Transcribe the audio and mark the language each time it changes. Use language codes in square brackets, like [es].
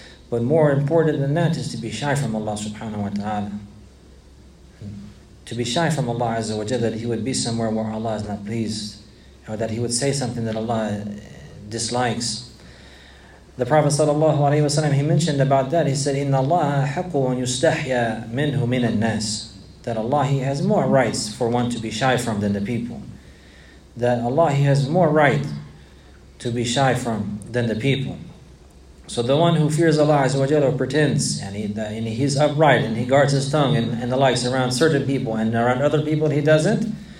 [en] But more important than that is to be shy from Allah subhanahu wa ta'ala. To be shy from Allah azza wa jalla, that he would be somewhere where Allah is not pleased, or that he would say something that Allah dislikes. The Prophet sallallahu alayhi wa sallam, he mentioned about that. He said, [ar] إِنَّ اللَّهَ حَقُّ وَنْ يُسْتَحْيَى مِنْهُ مِنَ النَّاسِ. [en] That Allah, he has more rights for one to be shy from than the people. That Allah, he has more right to be shy from than the people. So the one who fears Allah Azza wa Jalla pretends, and he's upright, and he guards his tongue and the likes around certain people, and around other people he doesn't.